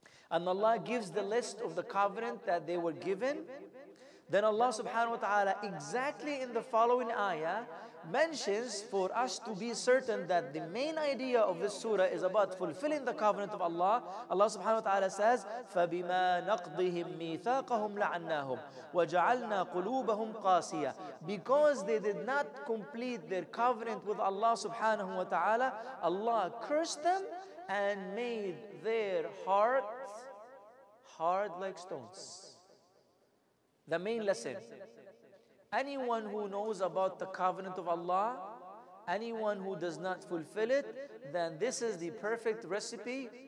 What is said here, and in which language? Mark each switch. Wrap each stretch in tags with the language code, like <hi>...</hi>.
<en>And Allah gives the list of the covenant that they were given. Then Allah subhanahu wa ta'ala, exactly in the following ayah, mentions for us to be certain that the main idea of this surah is about fulfilling the covenant of Allah. Allah subhanahu wa ta'ala says,</en> <ar>فَبِمَا نَقْضِهِمْ مِيثَاقَهُمْ لَعَنَّاهُمْ وَجَعَلْنَا قُلُوبَهُمْ قَاسِيَةً.</ar> <en>Because they did not complete their covenant with Allah subhanahu wa ta'ala, Allah cursed them and made their hearts hard like stones. The main lesson, anyone who knows about the covenant of Allah, anyone who does not fulfill it, then this is the perfect recipe.</en>